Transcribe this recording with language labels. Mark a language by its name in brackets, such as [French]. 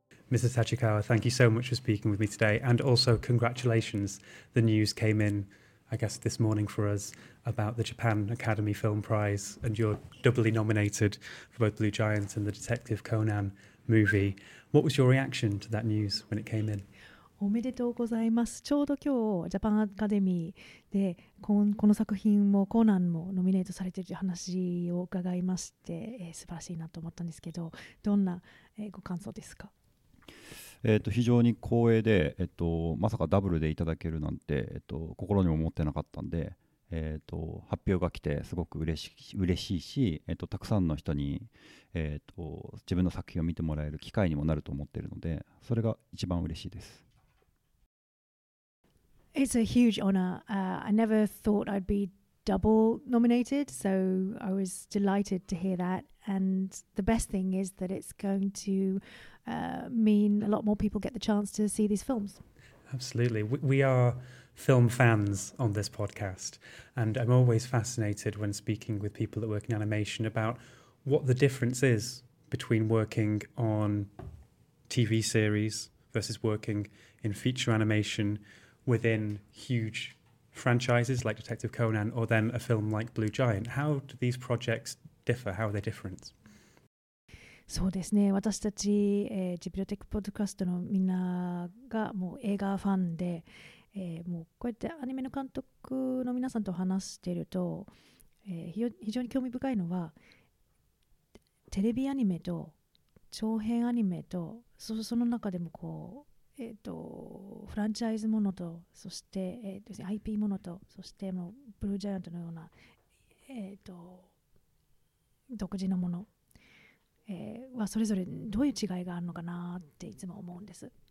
[English] Mrs. Tachikawa, thank you so much for speaking with me today. And also, congratulations. The news came in, I guess, this morning for us about the Japan Academy Film Prize, and you're doubly nominated for both Blue Giant and the Detective Conan movie. What was your reaction to that news when it came in? [Japanese] おめでとうございます。ちょうど今日、ジャパンアカデミーで、この作品もコナンもノミネートされているという話を伺いまして、素晴らしいなと思ったんですけど、どんな、ご感想ですか？非常に光栄で、まさかダブルでいただけるなんて、心にも思ってなかったんで、発表が来てすごく嬉しいし、たくさんの人に、自分の作品を見てもらえる機会にもなると思っているので、それが一番嬉しいです。 [English] It's a huge honor. I never thought I'd be double nominated, so I was delighted to hear that. And the best thing is that it's going to mean a lot more people get the chance to see these films. Absolutely. We are film fans on this podcast, and I'm always fascinated when speaking with people that work in animation about what the difference is between working on TV series versus working in feature animation within huge franchises like Detective Conan or then a film like Blue Giant. How do these projects differ? How are they different? [Japanese] そうですね、私たち、ジブリテックポッドキャストのみんながもう映画ファンで、もうこうやってアニメの監督の皆さんと話していると、非常に興味深いのはテレビアニメと長編アニメと その中でもこう、フランチャイズものとそして、IP ものとそしてもうブルージャイアントのような、独自のものはそれぞれどういう違いがあるのかなっていつも思うんです。